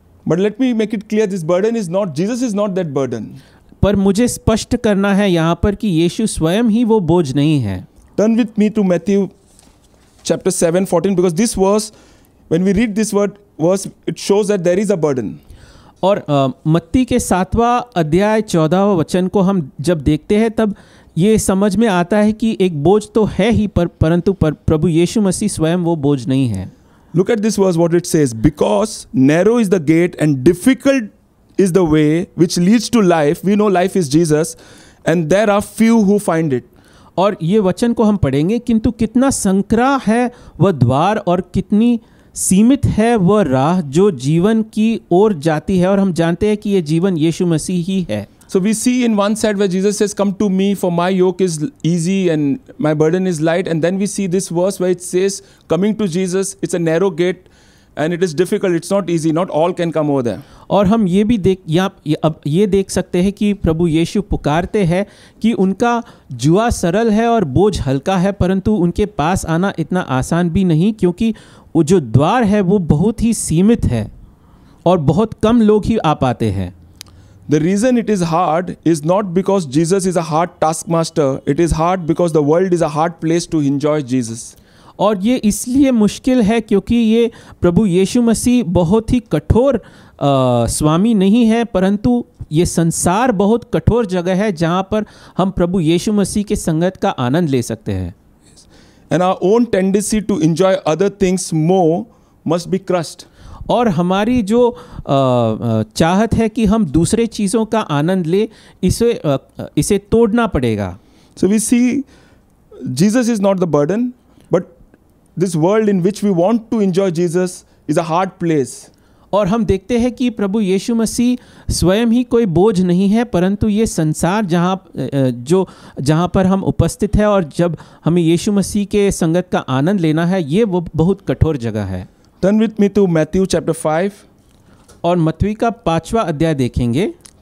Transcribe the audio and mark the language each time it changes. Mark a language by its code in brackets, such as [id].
[en] But let me make it clear, this burden is not, Jesus is not that burden. [hi] पर मुझे स्पष्ट करना है यहाँ पर कि यीशु स्वयं ही वो बोझ नहीं है। [en] Turn with me to Matthew chapter 7:14, because this verse, when we read this verse, it shows that there is a burden. [hi] और मत्ती के 7वां अध्याय 14वां वचन को हम जब देखते हैं तब ये समझ में आता है कि एक बोझ तो है ही परंतु प्रभु यीशु मसीह स्वयं वो बोझ नहीं है. [en] Look at this verse what it says, because narrow is the gate and difficult is the way which leads to life, we know life is Jesus and there are few who find it. [hi] और ये वचन को हम पढ़ेंगे किंतु कितना संकरा है वह द्वार और कितनी सीमित है वह राह जो जीवन की ओर जाती है, और हम जानते हैं कि ये जीवन यीशु मसीह ही है. [en] So we see in one side where Jesus says, "Come to me, for my yoke is easy and my burden is light." And then we see this verse where it says, "Coming to Jesus, it's a narrow gate, and it is difficult. It's not easy. Not all can come over there." [hi] और हम ये भी देख यहाँ अब ये देख सकते हैं कि प्रभु यीशु पुकारते हैं कि उनका जुआ सरल है और बोझ हल्का है, परंतु उनके पास आना इतना आसान भी नहीं क्योंकि वो जो द्वार है वो बहुत ही सीमित है और बहुत कम लोग ही आ पाते हैं. [en] The reason it is hard is not because Jesus is a hard taskmaster. It is hard because the world is a hard place to enjoy Jesus. [hi] और ये इसलिए मुश्किल है क्योंकि ये प्रभु यीशु मसीह बहुत ही कठोर स्वामी नहीं है, परंतु ये संसार बहुत कठोर जगह है जहाँ पर हम प्रभु यीशु मसीह के संगत का आनंद ले सकते हैं. [en] And our own tendency to enjoy other things more must be crushed. [hi] और हमारी जो चाहत है कि हम दूसरे चीज़ों का आनंद ले इसे इसे तोड़ना पड़ेगा. [en] So we see Jesus is not the burden but this world in which we want to enjoy Jesus is a hard place. [hi] और हम देखते हैं कि प्रभु यीशु मसीह स्वयं ही कोई बोझ नहीं है, परंतु ये संसार जहाँ पर हम उपस्थित है और जब हमें यीशु मसीह के संगत का आनंद लेना है ये वो बहुत कठोर जगह है. [en] Turn with me to Matthew chapter 5. [hi] और मत्ती का 5वां अध्याय देखेंगे.